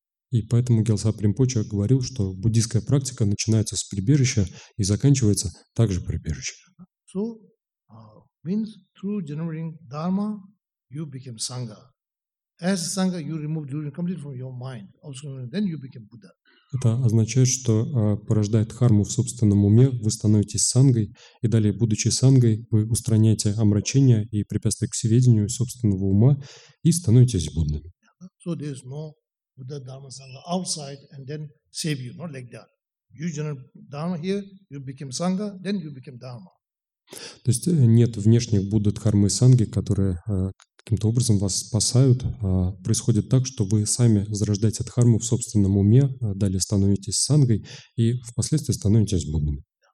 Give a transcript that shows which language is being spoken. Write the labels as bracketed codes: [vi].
[ru] И поэтому Гелсап Ринпоче говорил, что буддийская практика начинается с прибежища и заканчивается также прибежищем. [en] So, means through generating dharma, you become sangha. As sangha, you remove delusion completely from your mind. Then you become Buddha. [ru] Это означает, что порождая дхарму в собственном уме, вы становитесь сангой, и далее, будучи сангой, вы устраняете омрачение и препятствия к всеведению собственного ума и становитесь Буддой. [en] So there is no Buddha, Dharma, Sangha outside and then save you, not like that. You generate Dharma here, you become Sangha, then you become Dharma. [ru] То есть нет внешних Будды, Дхармы и Санги, которые каким-то образом вас спасают, а происходит так, что вы сами зарождаете Дхарму в собственном уме, далее становитесь Сангой и впоследствии становитесь Буддами.